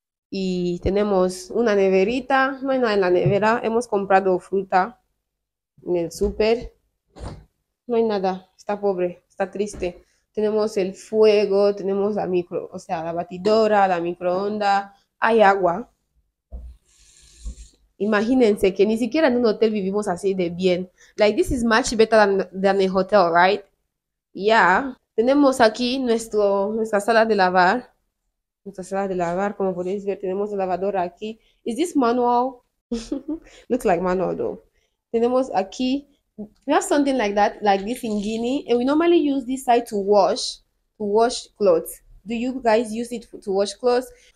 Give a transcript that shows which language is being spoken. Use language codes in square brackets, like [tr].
[es] Y tenemos una neverita, no hay nada en la nevera, hemos comprado fruta en el súper, no hay nada, está pobre, está triste. Tenemos el fuego, tenemos la micro, o sea, la batidora, la microonda, hay agua. Imagínense que ni siquiera en un hotel vivimos así de bien. [en] Like, this is much better than a hotel, right? [es] Ya, tenemos aquí nuestra sala de lavar. Nuestra sala de lavar, como podéis ver, tenemos la lavadora aquí. ¿Es [en] this manual? Looks like manual, though. [es] Tenemos aquí, [en] we have something like that, like this in Guinea, and we normally use this side to wash clothes. Do you guys use it to wash clothes?